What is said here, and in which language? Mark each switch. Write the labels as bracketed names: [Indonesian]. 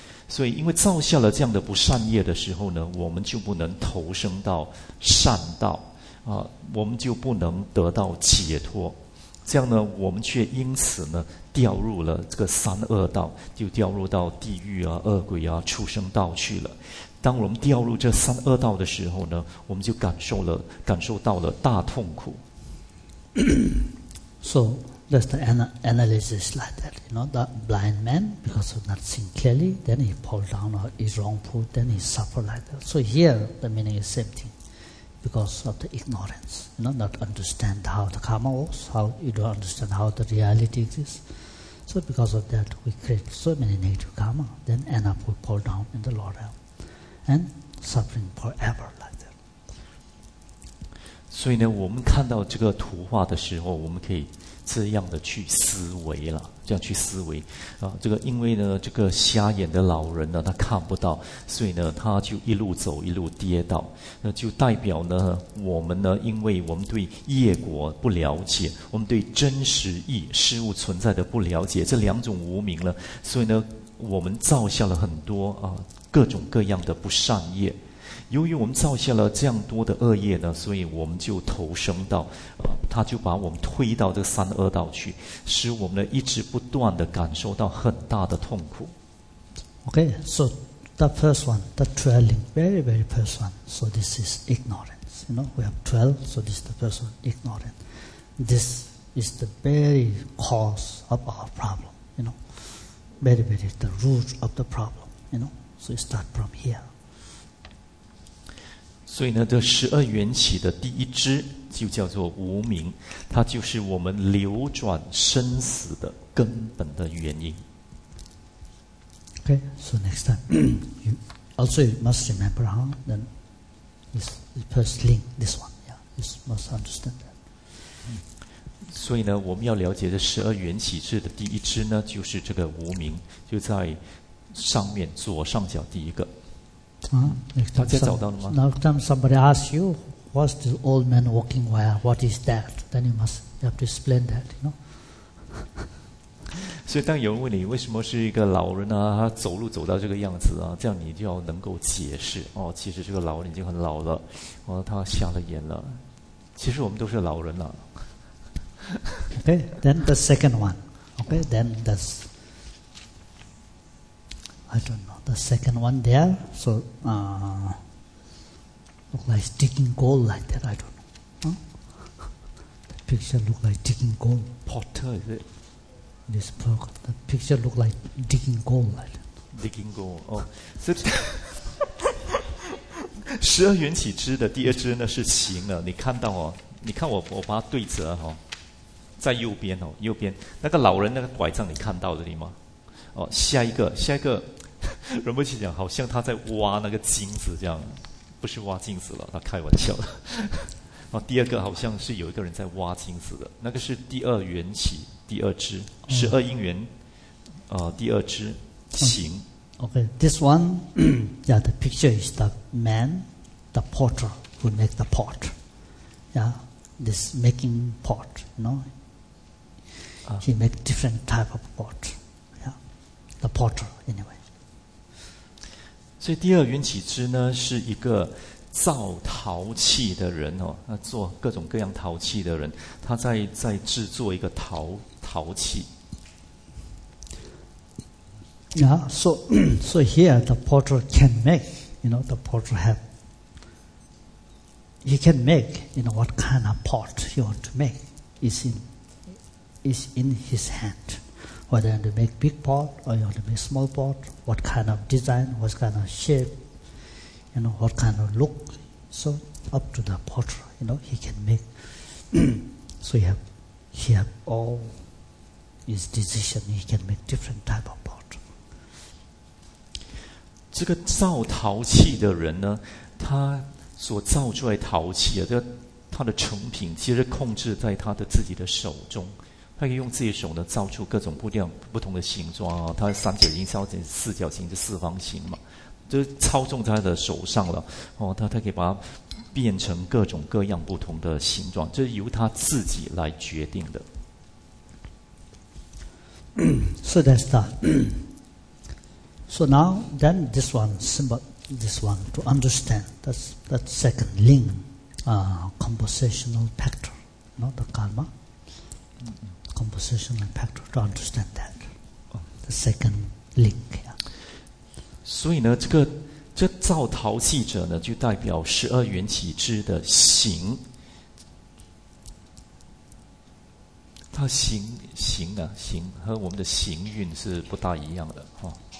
[Chinese] 所以因为造下了这样的不善业的时候呢，我们就不能投生到善道啊，我们就不能得到解脱，这样呢我们却因此呢掉入了这个三恶道，就掉入到地狱啊、恶鬼啊、畜生道去了。当我们掉入这三恶道的时候呢，我们就感受到了大痛苦。 [English] So that's the analysis like that. You know, the blind man, because of not seeing clearly, then he fall down or is wrongful, then he suffer like that. So here, the meaning is same thing. Because of the ignorance. You know, not understand how the karma works, how you don't understand how the reality exists. So because of that, we create so many negative karma, then end up we fall down in the lower realm. And suffering forever. [Chinese] 所以呢，我们看到这个图画的时候，我们可以这样的去思维了，这样去思维啊。这个因为呢，这个瞎眼的老人呢，他看不到，所以呢，他就一路走一路跌倒。那就代表呢，我们呢，因为我们对业果不了解，我们对真实义事物存在的不了解，这两种无明了，所以呢，我们造下了很多啊各种各样的不善业。由于我们造下了这样多的恶业呢，所以我们就投生到他就把我们推到这三恶道去，使我们呢一直不断地感受到很大的痛苦。 [English] OK, so the first one, the dwelling, very very first one, so this is ignorance, you know, we have 12, so this is the first one, ignorance. This is the very cause of our problem, you know, very very the root of the problem, you know, so it starts from here. [Chinese] 所以呢，这十二缘起的第一支就叫做无明，它就是我们流转生死的根本的原因。 [English] Okay, so next time, you also must remember, huh? Then this first link, this one, yeah, you must understand that. [Chinese] 所以呢，我们要了解这十二缘起智的第一支呢，就是这个无明，就在上面左上角第一个。大家找到了吗？ [English] Next time somebody asks you, "What's the old man walking wire? What is that?" Then you have to explain that, you know. [Chinese] 所以当有人问你为什么是一个老人啊，他走路走到这个样子啊，这样你就要能够解释哦，其实这个老人已经很老了，哦，他瞎了眼了。其实我们都是老人了。 [English] Okay, then the second one. Okay, then that's, I don't know, the second one there. So, look like digging gold like that, I don't know. The picture look like digging gold. Potter, is it? This book, the picture look like digging gold like that. Digging gold, oh. [Chinese] So, 十二缘起支的第二支呢是行了，你看到哦，你看我把它对折哦。在右边哦，右边那个老人那个拐杖你看到这里吗？哦，下一个仁波切讲好像他在挖那个金子这样，不是挖金子了，他开玩笑了。哦，第二个好像是有一个人在挖金子的，那个是第二缘起第二支十二因缘，第二支行。 [English] Okay, this one, yeah, the picture is the man, the potter who make the pot, yeah, this making pot, no. He make different type of pot, yeah, the potter anyway. [Chinese] 所以第二缘起支呢是一个造陶器的人哦，那做各种各样陶器的人，他在制作一个陶器。 [English] Yeah, so here the potter can make, you know, the potter have. He can make, you know, what kind of pot he want to make is in his hand. Whether you want to make big pot or you want to make small pot, what kind of design, what kind of shape, you know, what kind of look. So up to the potter, you know, he can make. So he have all his decision, he can make different type of pot. [Chinese] 这个造陶器的人呢，他所造出来陶器啊，这个他的成品其实控制在他的自己的手中。他可以用自己手呢造出各种不同的形状啊，他三角形、三角形、四角形、四方形嘛，就是操纵在他的手上了。哦，他可以把它变成各种各样不同的形状，这是由他自己来决定的。 [English] So that's that. So now, then this one, symbol, this one to understand that second link, compositional factor, not the karma. Composition and factor to understand that the second link.、Yeah. [Chinese] 所以呢，这造陶器者呢，就代表十二缘起支的行。他行啊，行和我们的行运是不大一样的哈。